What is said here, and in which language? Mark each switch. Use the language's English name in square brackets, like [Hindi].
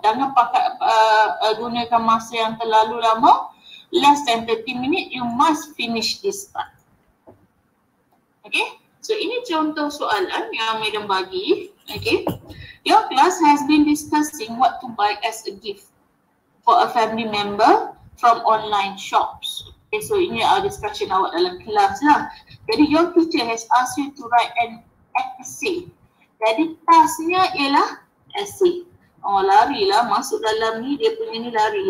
[Malay] Jangan pakai gunakan masa yang terlalu lama. [English] Less than 30 minutes, you must finish this part. Okay. [Malay] So, ini contoh soalan yang Madam bagi, okay. [English] Your class has been discussing what to buy as a gift for a family member from online shops. [Malay] Okay, so ini [English] our discussion [Malay] awak dalam kelas lah. Jadi, [English] your teacher has asked you to write an essay. [Malay] Jadi, tasknya ialah essay. Oh, larilah. Masuk dalam ni, dia punya ni lari.